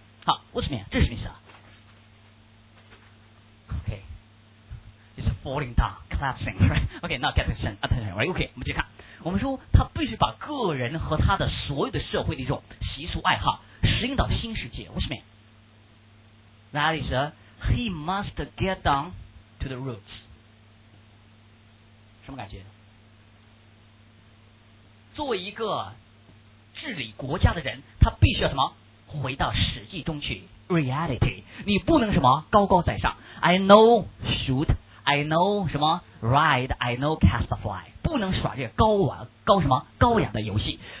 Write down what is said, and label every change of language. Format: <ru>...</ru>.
<zh>好，为什么呀？这是什么意思啊？</zh> <en>It's falling down, collapsing, right? Okay, now get attention, attention, right?</en> <zh>Okay, 我们去看，我们说他必须把个人和他的所有的社会的一种习俗爱好适应到新世界。</zh> <en>What's mean? That is, he must get down to the roots.</en> <zh>什么感觉？作为一个治理国家的人，他必须要什么？回到实际中去 ，reality. 你不能什么高高在上。</zh> <en>I know, shoot. I know</en> <zh>什么</zh> <en>ride, I know cast a fly，</en> <zh>不能耍这高玩高什么高雅的游戏。</zh>